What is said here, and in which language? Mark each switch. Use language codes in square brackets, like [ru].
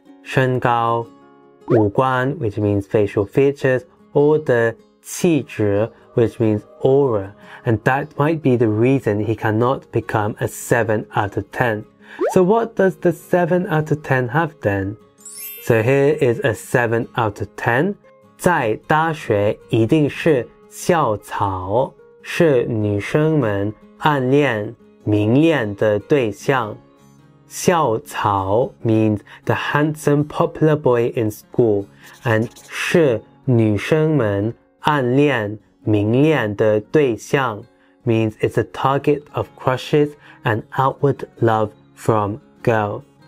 [en] 身高、五官 which means facial features, or the 气质which means aura, and that might be the reason he cannot become a 7 out of 10. So what does the 7 out of 10 have then? So here is a 7 out of 10. [zh] 在大学一定是校草,是女生们暗恋、明恋的对象。校草 [en] means the handsome popular boy in school, and [zh] 是女生们暗恋明恋的对象 [en] means it's a target of crushes and outward love from girls.